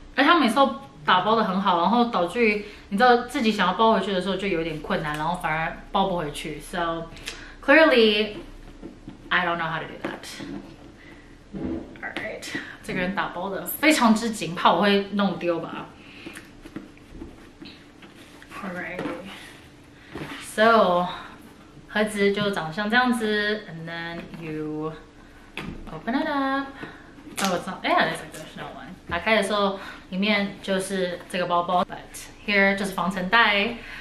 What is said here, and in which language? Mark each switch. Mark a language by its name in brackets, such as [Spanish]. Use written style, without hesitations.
[Chinese] 而且他每次都打包的很好，然后导致你知道自己想要包回去的时候就有点困难，然后反而包不回去。 [English] So clearly I don't know how to do that。 [Chinese] Alright， 这个人打包的非常之紧，怕我会弄丢吧。 [English] Alright， So [Chinese] 盒子就长像这样子， [English] And then you open it up。 Oh it's not, yeah there's a good snow one。 [Chinese] 打开的时候里面就是这个包包， [English] But here [Chinese] 就是防尘袋。